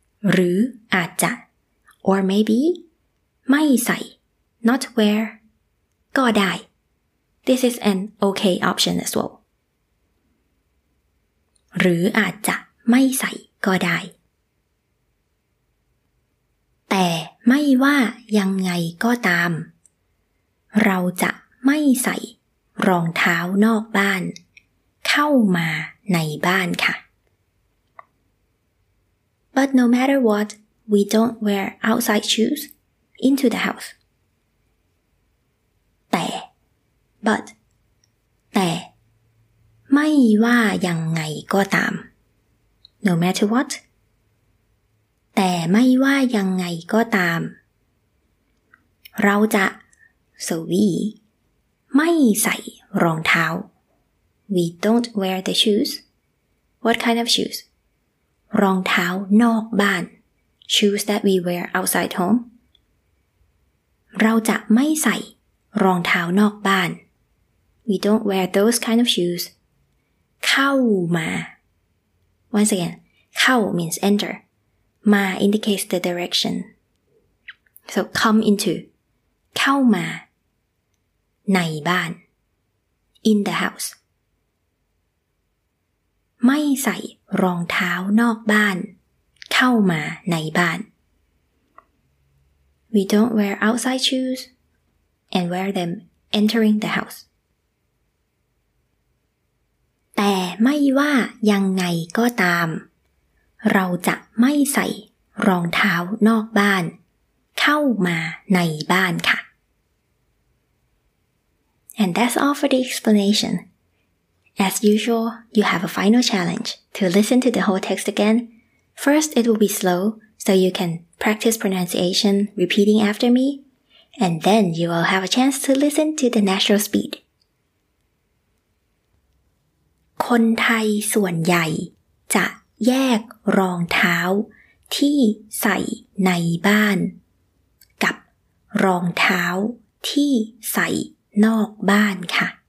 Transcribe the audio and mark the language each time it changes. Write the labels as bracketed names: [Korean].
[Thai] หรืออาจจะ [English] or maybe [Thai] ไม่ใส่ [English] not wear [Thai] ก็ได้ [English] this is an okay option as well [Thai] หรืออาจจะไม่ใส่ก็ได้แต่ไม่ว่ายังไงก็ตามเราจะไม่ใส่รองเท้านอกบ้านเข้ามาในบ้านค่ะ [English] But no matter what, we don't wear outside shoes into the house. [Thai] แต่ [English] but [Thai] แต่ไม่ว่ายังไงก็ตาม [English] No matter what [Thai] แต่ไม่ว่ายังไงก็ตามเราจะ [English] so we [Thai] ไม่ใส่รองเท้า [English] We don't wear the shoes. What kind of shoes? [Thai] รองเท้านอกบ้าน [English] Shoes that we wear outside home. [Thai] เราจะไม่ใส่รองเท้านอกบ้าน [English] We don't wear those kind of shoes. [Thai] เข้ามา [English] Once again, เข้า means enter. มา indicates the direction. So come into. [Thai] เข้ามาในบ้าน [English] in the house [Thai] ไม่ใส่รองเท้านอกบ้านเข้ามาในบ้าน [English] we don't wear outside shoes and wear them entering the house [Thai] แต่ไม่ว่ายังไงก็ตามเราจะไม่ใส่รองเท้านอกบ้านเข้ามาในบ้านค่ะ [English] And that's all for the explanation. As usual, you have a final challenge to listen to the whole text again. First, it will be slow, so you can practice pronunciation repeating after me, and then you will have a chance to listen to the natural speed. [Thai] คนไทยส่วนใหญ่จะแยกรองเท้าที่ใส่ในบ้านกับรองเท้าที่ใส่นอกบ้านค่ะ